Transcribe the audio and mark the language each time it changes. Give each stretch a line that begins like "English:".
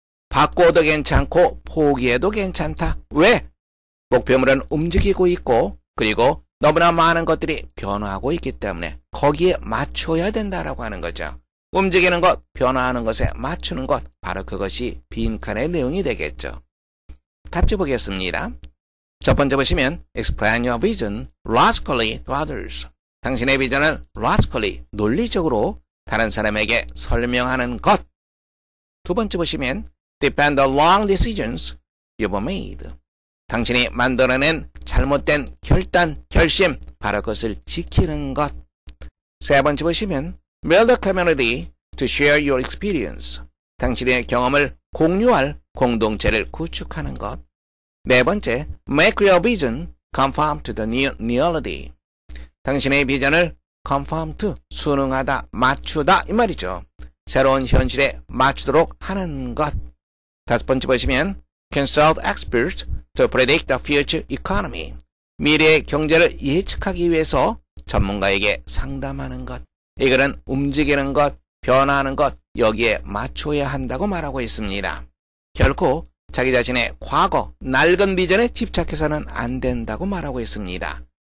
Korean: 바꿔도 괜찮고 포기해도 괜찮다. 왜? 목표물은 움직이고 있고, 그리고 너무나 많은 것들이 변화하고 있기 때문에 거기에 맞춰야 된다라고 하는 거죠. 움직이는 것, 변화하는 것에 맞추는 것, 바로 그것이 빈칸의 내용이 되겠죠. 답지 보겠습니다. 첫 번째 보시면
English: Explain your vision logically to others.
Korean: 당신의 비전을 logically, 논리적으로 다른 사람에게 설명하는 것. 두 번째 보시면
English: Depend on wrong decisions you've made.
Korean: 당신이 만들어낸 잘못된 결단, 결심, 바로 그것을 지키는 것. 세 번째 보시면
English: Build a community to share your experience.
Korean: 당신의 경험을 공유할 공동체를 구축하는 것. 네 번째,
English: make your vision conform to the new reality.
Korean: 당신의 비전을 conform to, 순응하다, 맞추다, 이 말이죠. 새로운 현실에 맞추도록 하는 것. 다섯 번째 보시면,
English: consult experts to predict the future economy.
Korean: 미래의 경제를 예측하기 위해서 전문가에게 상담하는 것. 이거는 움직이는 것, 변화하는 것, 여기에 맞춰야 한다고 말하고 있습니다. 결코 자기 자신의 과거, 낡은 비전에 집착해서는 안 된다고 말하고 있습니다.